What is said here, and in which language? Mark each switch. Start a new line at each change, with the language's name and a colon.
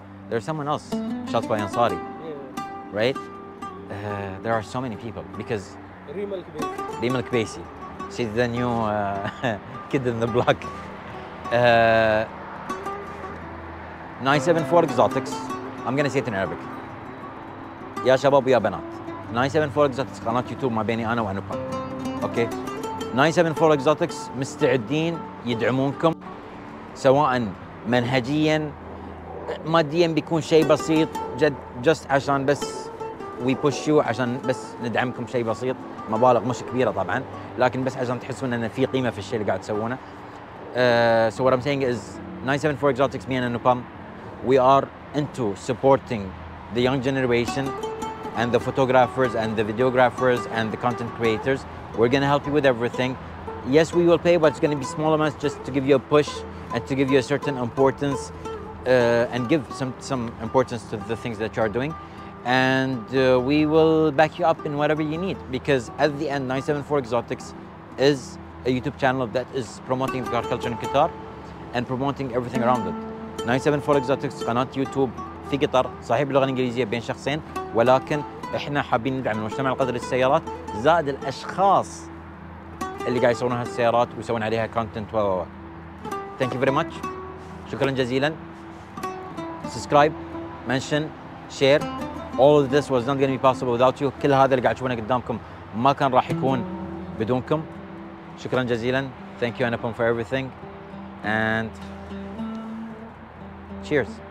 English: There's someone else, Shatba Ansari. Right? There are so many people because Reem Al-Kbaisi. She's the new kid in the block. 974 Exotics. I'm gonna say it in Arabic.
Arabic: Ya Shabab, ya Banat. 974 Exotics, قناة يوتيوب ما بيني أنا وأنوبام. أوكي. 974 Exotics مستعدين يدعمونكم سواء منهجيا ماديا بيكون شيء بسيط جد جست عشان بس
English: we push you
Arabic: عشان بس ندعمكم شيء بسيط مبالغ مش كبيرة طبعا لكن بس عشان تحسون أن في قيمة في الشيء اللي قاعد تسوونه.
English: So what I'm saying is 974 Exotics, me and Anupam, we are into supporting the young generation and the photographers and the videographers and the content creators. We're gonna help you with everything. Yes, we will pay, but it's gonna be small amounts just to give you a push and to give you a certain importance and give some importance to the things that you are doing. And we will back you up in whatever you need, because at the end, 974 Exotics is a YouTube channel that is promoting the car culture in Qatar and promoting everything around it.
Arabic: 974 Exotics, قناة YouTube. في قطر صحيح باللغة الإنجليزية بين شخصين ولكن إحنا حابين ندعم المجتمع القطري للسيارات زائد الأشخاص اللي قاعد يسوون هالسيارات ويسوون عليها كونتنت و
English: Thank you very much.
Arabic: شكرا جزيلا.
English: Subscribe, mention, share. All of this was not going to be possible without you.
Arabic: كل هذا اللي قاعد تشوفونه قدامكم ما كان راح يكون بدونكم. شكرا جزيلا.
English: Thank you Anupam for everything. And cheers.